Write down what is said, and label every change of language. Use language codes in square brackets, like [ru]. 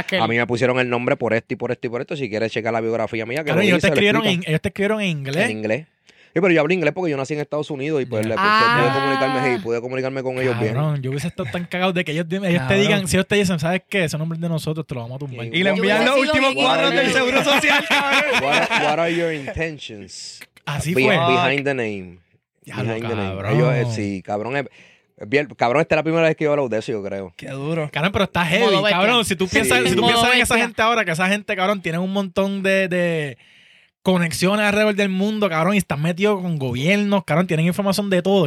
[es] A mí me pusieron el nombre por esto y por esto y por esto. Si quieres checar la biografía mía, que claro, lo ellos, dice, te escribieron en, ellos te escribieron en inglés. En inglés. Sí, pero yo hablo inglés porque yo nací en Estados Unidos y pues pude comunicarme con ellos, cabrón, bien. Yo hubiese estado tan cagado de que ellos te digan, si ellos te dicen, ¿sabes qué? Ese nombre es de nosotros, te lo vamos a tumbar. Y le envían los últimos 4 del Seguro Social. [en] What are your intentions? [es] Así fue. [en] Behind the name. [es] Ya, cabrón. Ellos, sí, cabrón. Cabrón, esta es la primera vez que yo hablo de eso, yo creo. Qué duro. Cabrón, pero está heavy, cabrón. Si tú piensas, sí, si tú piensas en esa gente ahora, que esa gente, cabrón, tiene un montón de conexiones alrededor del mundo, cabrón, y están metidos con gobiernos, cabrón, tienen información de todo.